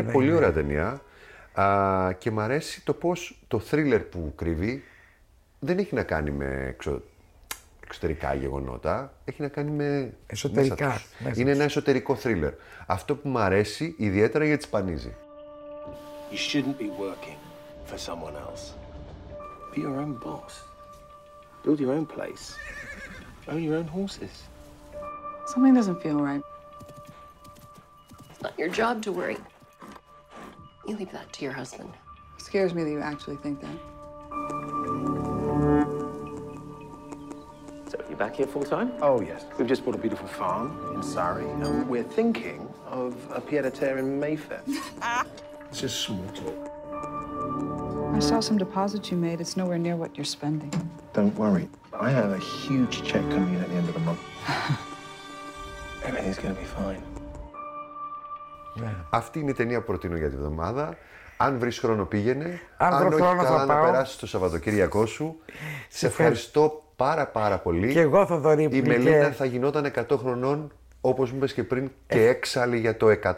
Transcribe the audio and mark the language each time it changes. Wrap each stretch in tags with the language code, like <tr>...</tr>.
<el>Είναι πολύ ωραία ταινία. Και μ' αρέσει το πώς το θρίλερ που κρύβει δεν έχει να κάνει με εξωτερικά γεγονότα, έχει να κάνει με εσωτερικά. Είναι ένα εσωτερικό θρίλερ. Αυτό που μ' αρέσει ιδιαίτερα γιατί σπανίζει.</el> <en>You shouldn't be working for someone else. Be your own boss. Build your own place. Own your own horses. Something doesn't feel right. It's not your job to worry. You leave that to your husband. It scares me that you actually think that. So, you're back here full time? Oh, yes. We've just bought a beautiful farm in Surrey. And we're thinking of a pied-à-terre in Mayfair. It's just small talk. I saw some deposits you made. It's nowhere near what you're spending. Don't worry. I have a huge check coming in at the end of the month. Everything's going to be fine.</en> <el>Ναι. Αυτή είναι η ταινία που προτείνω για τη βδομάδα. Αν βρεις χρόνο πήγαινε. Αν όχι χρόνο καλά να περάσεις το Σαββατοκύριακό σου. Σε ευχαριστώ πάρα πολύ. Και εγώ θα δω ρίπλη. Η Μελίνα θα γινόταν 100 χρονών, όπως μου είπες και πριν, και έξαλλη για το 100.</el>